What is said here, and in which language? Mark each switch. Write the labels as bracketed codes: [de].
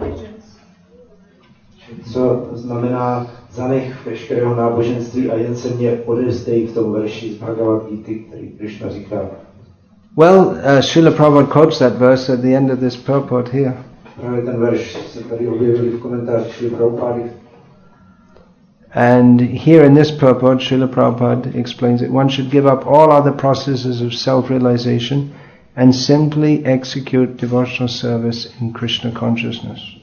[en] There is a verse where Krishna says to Arjuna, leave all religions and thus surrender me. What does it mean to leave all religions? Well, Srila Prabhupada quotes that verse at the end of this purport here. [cs] Právě ten verš se tady objevil v komentáři Srila Prabhupády. [en] And here in this purport, Srila Prabhupada explains it. One should give up all other processes of self-realization and simply execute devotional service in Krishna consciousness.